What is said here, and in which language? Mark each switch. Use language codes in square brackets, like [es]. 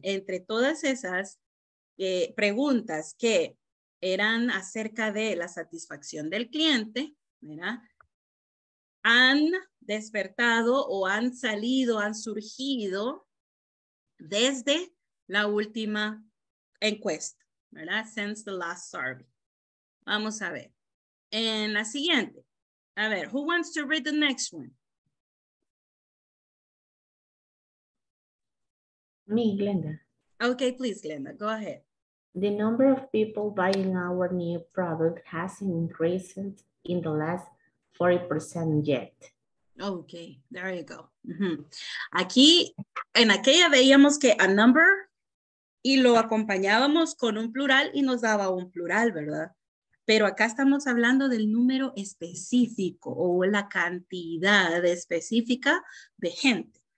[es] Entre todas esas preguntas que eran acerca de la satisfacción del cliente, ¿verdad? Han despertado o han salido, han surgido desde la última encuesta, ¿verdad? [en] Since the last survey. [es] Vamos a ver. En la siguiente. A ver, [en] who wants to read the next one? Me, Glenda. Okay, please, Glenda, go ahead. The number of people buying our new product has increased in the last 40% yet. Okay, there you go. Mm-hmm. [es] Aquí, en aquella veíamos que a number y lo acompañábamos con un plural y nos daba un plural, ¿verdad? Pero acá estamos hablando del número específico o la cantidad específica de gente.